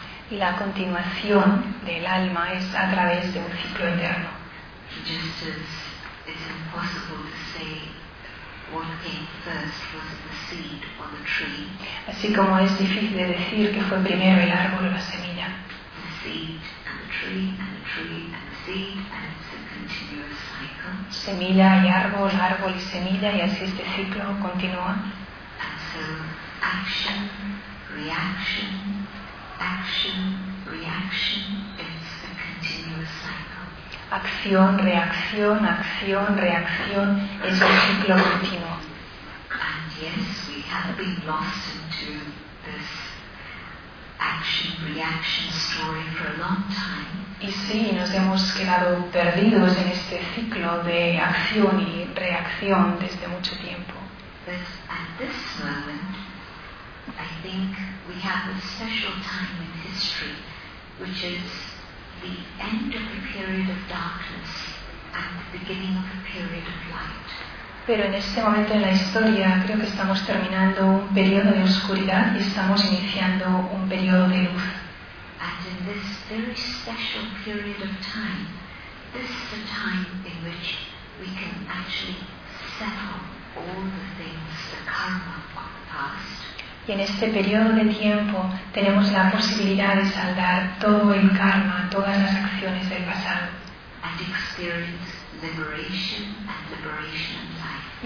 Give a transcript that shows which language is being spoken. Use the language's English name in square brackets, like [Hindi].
[Spanish] Y la continuación del alma es a través de un ciclo eterno. [English] Just as it's impossible to say what came first was the seed or the tree. [Spanish] Así como es difícil de decir que fue primero el árbol o la semilla. [English] The seed and the tree and the tree and the seed and it's a continuous cycle. [Spanish] Semilla y árbol, árbol y semilla, y así este ciclo continúa. [English] And so action, reaction, action, reaction, it's a continuous cycle. [Spanish] Acción, reacción, acción, reacción, es un ciclo continuo. [English] And yes, we have been lost into this action reaction story for a long time. [Spanish] Y sí, nos hemos quedado perdidos en este ciclo de acción y reacción desde mucho tiempo. [English] But at this moment, I think we have a special time in history, which is the end of a period of darkness and the beginning of a period of light. [Spanish] Pero en este momento en la historia creo que estamos terminando un periodo de oscuridad y estamos iniciando un periodo de luz. [English] And in this very special period of time, this is the time in which we can actually settle all the things, the karma of the past. [Spanish] Y en este periodo de tiempo tenemos la posibilidad de saldar todo el karma, todas las acciones del pasado. [English] And experience liberation and liberation in life.